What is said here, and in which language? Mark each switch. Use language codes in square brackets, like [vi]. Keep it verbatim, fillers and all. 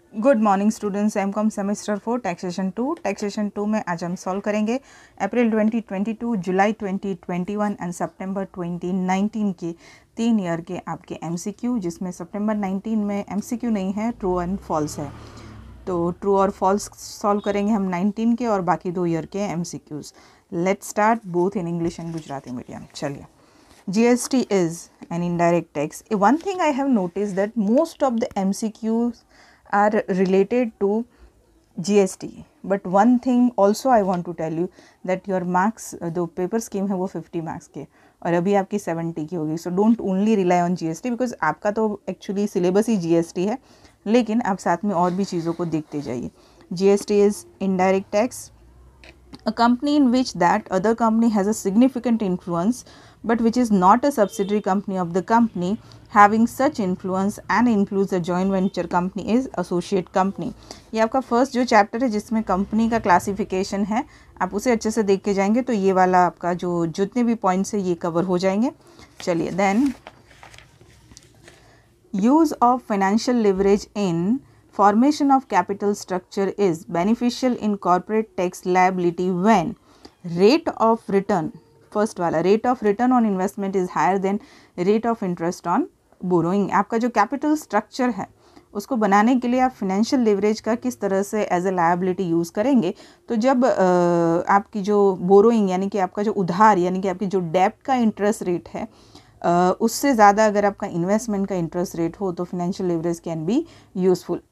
[hi] Good morning students. M com semester four taxation two taxation two में आज हम solve करेंगे April twenty twenty two, July twenty twenty one and September twenty nineteen के तीन year के आपके MCQ, जिसमें सितंबर नाइनटीन में एमसीक्यू नहीं है, ट्रू एंड फॉल्स है। तो ट्रू और फॉल्स सॉल्व करेंगे हम नाइनटीन के और बाकी दो ईयर के MCQs. [en] Let's start, both in English and Gujarati medium. चलिए, G S T is an indirect tax. One thing I have noticed that most of the M C Qs are related to G S T. But one thing also I want to tell you that your marks, the paper scheme [hi] है वो fifty marks के और अभी आपकी seventy की होगी। [en] so don't only rely on G S T because [hi] आपका तो एक्चुअली सिलेबस ही G S T है, लेकिन आप साथ में और भी चीज़ों को देखते जाइए। G S T is indirect tax. A company in which that other company has a significant influence but which is not a subsidiary company of the company having such influence and includes a joint venture company is associate company। ये आपका first जो chapter है जिसमें company का classification है, आप उसे अच्छे से देख के जाएंगे तो ये वाला आपका जो जितने भी पॉइंट्स है ये कवर हो जाएंगे। [en] चलिए, then use of financial leverage in formation of capital structure is beneficial in corporate tax liability when rate of return, first वाला rate of return on investment is higher than rate of interest on borrowing। [hi] आपका जो capital structure है उसको बनाने के लिए आप financial leverage का किस तरह से as a liability यूज़ करेंगे। तो जब uh, आपकी जो borrowing यानी कि आपका जो उधार यानी कि आपकी जो debt का interest rate है Uh, उससे ज़्यादा अगर आपका इन्वेस्टमेंट का इंटरेस्ट रेट हो तो [en] Financial leverage can be useful.